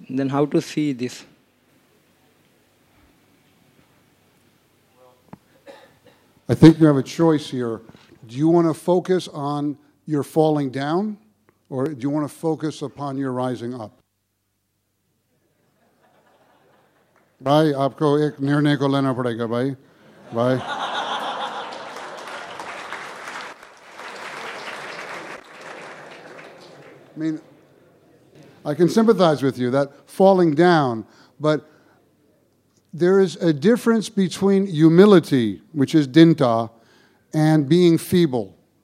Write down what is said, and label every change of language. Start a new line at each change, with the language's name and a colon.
English: Then how to see this? I think you have a choice here. Do you want to focus on your falling down or do you want to focus upon your rising up?
Hindi: भाई, आपको एक निर्णय को लेना पड़ेगा, भाई. Bhai.
English: I mean, I can sympathize with you, that falling down, but there is a difference between humility, which is dinta, and being feeble.